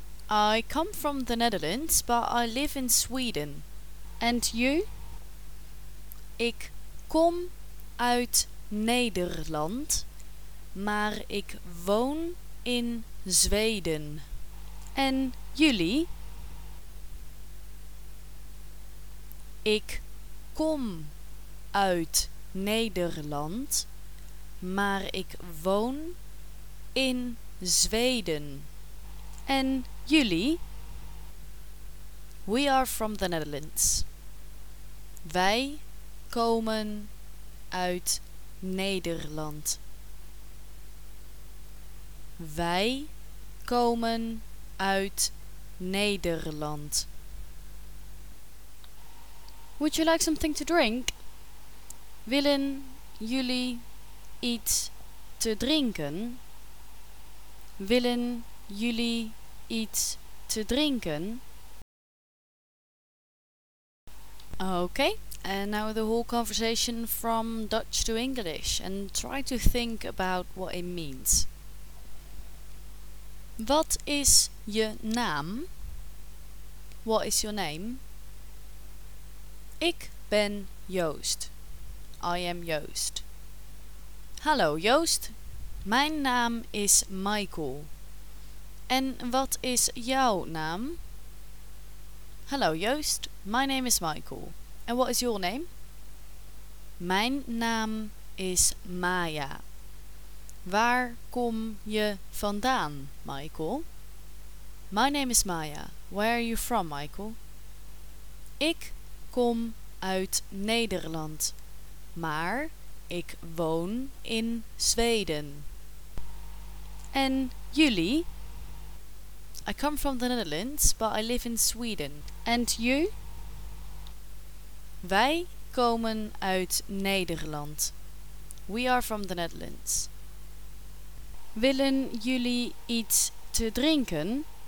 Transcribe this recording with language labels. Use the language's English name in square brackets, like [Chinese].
[English] I come from the Netherlands, but I live in Sweden. And you? [Dutch] Ik kom uit Nederland, maar ik woon in Zweden. En jullie? Ik kom uit Nederland, maar ik woon in Zweden. En jullie? [English] We are from the Netherlands. [Dutch] Wij komen uit Nederland. Wij komen uit Nederland. [English] Would you like something to drink? [Dutch] Willen jullie iets te drinken? Willen jullie iets te drinken? [English] Okay, and now the whole conversation from Dutch to English, and try to think about what it means. [Dutch] Wat is je naam? [English] What is your name? [Dutch] Ik ben Joost. [English] I am Joost. [Dutch] Hallo Joost, mijn naam is Michael. En wat is jouw naam? [English] Hallo Joost, my name is Michael. And what is your name? [Dutch] Mijn naam is Maya. Waar kom je vandaan, Michael? [English] My name is Maya. Where are you from, Michael? [Dutch] Ik kom uit Nederland, maar ik woon in Zweden. En jullie? [English] I come from the Netherlands, but I live in Sweden. And you? [Dutch] Wij komen uit Nederland. [English] We are from the Netherlands. [Dutch] Willen jullie iets te drinken?